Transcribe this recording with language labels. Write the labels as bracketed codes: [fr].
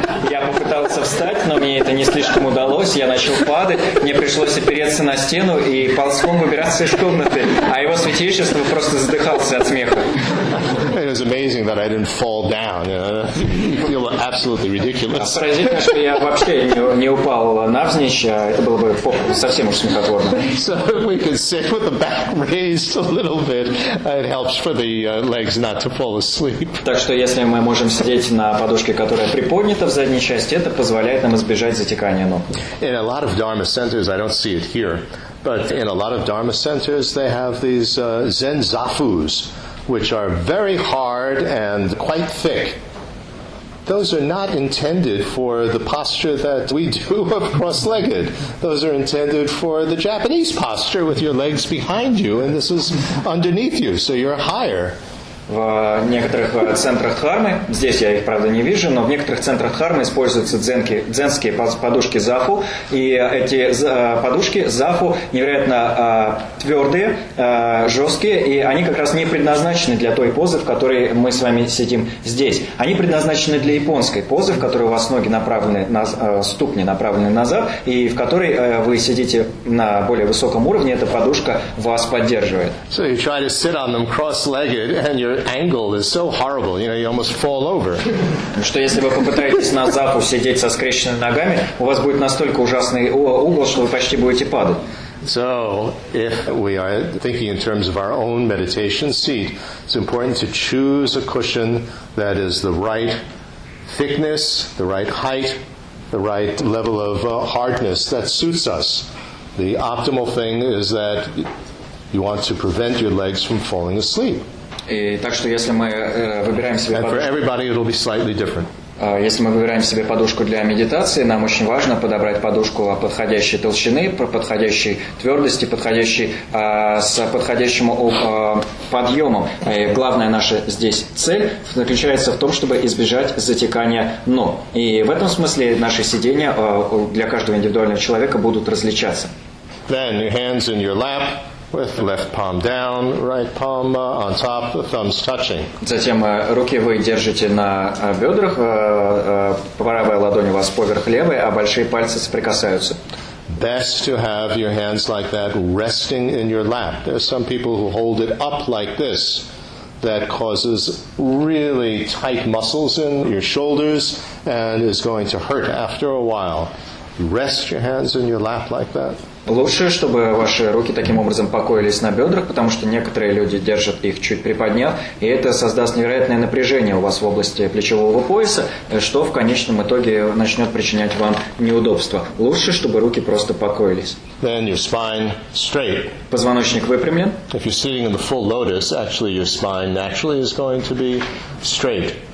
[ru] Я попытался встать, но мне это не слишком удалось. Я начал падать, мне пришлось опереться на стену и ползком выбираться из комнаты. А Его Святейшество просто задыхался от смеха. [en] It was amazing that I didn't fall down. You feel absolutely ridiculous. [ru] Поразительно, что я вообще не упал навзничь. Это было бы совсем уж смехотворно. [en] So if we could sit with the back raised a little bit, it helps for the legs not to fall asleep. [ru] Так что если мы можем сидеть на подушке, которая приподнята в задней части, это позволяет нам избежать затекания ног. [en] In a lot of Dharma centers, I don't see it here, but in a lot of Dharma centers, they have these Zen zafus, which are very hard and quite thick. Those are not intended for the posture that we do of cross-legged. Those are intended for the Japanese posture with your legs behind you, and this is underneath you, so you're higher. [ru] В некоторых центрах дхармы, здесь я их, правда, не вижу, но в некоторых центрах дхармы используются дзенские подушки зафу, и эти подушки зафу невероятно твердые, жесткие, и они как раз не предназначены для той позы, в которой мы с вами сидим здесь. Они предназначены для японской позы, в которой у вас ноги направлены, ступни направлены назад, и в которой вы сидите на более высоком уровне, эта подушка вас поддерживает. [en] So you try to sit on them cross-legged, and you're angled is so horrible. You know, you almost fall over. [ru] Что если вы попытаетесь на запу сидеть со скрещенными ногами, у вас будет настолько ужасный угол, что вы почти будете падать. [en] So, if we are thinking in terms of our own meditation seat, it's important to choose a cushion that is the right thickness, the right height, the right level of hardness that suits us. The optimal thing is that you want to prevent your legs from falling asleep. [ru] И так что если мы выбираем себе подушку. [en] And for everybody it'll be slightly different. [ru] Если мы выбираем себе подушку для медитации, нам очень важно подобрать подушку подходящей толщины, подходящей твердости, подходящей с подходящим подъемом. И главная наша здесь цель заключается в том, чтобы избежать затекания ног. И в этом смысле наши сидения для каждого индивидуального человека будут различаться. [en] Then your hands in your lap. With left palm down, right palm on top, the thumbs touching. [ru] Затем руки вы держите на бедрах, правая ладонь у вас поверх левой, а большие пальцы соприкасаются. [en] Best to have your hands like that resting in your lap. There are some people who hold it up like this. That causes really tight muscles in your shoulders and is going to hurt after a while. Rest your hands in your lap like that. [ru] Лучше, чтобы ваши руки таким образом покоились на бедрах, потому что некоторые люди держат их чуть приподняв, и это создаст невероятное напряжение у вас в области плечевого пояса, что в конечном итоге начнет причинять вам неудобства. Лучше, чтобы руки просто покоились. [en] Then your spine straight. [ru] Позвоночник выпрямлен. [en] If you're sitting in the full lotus, actually your spine naturally is going to be straight.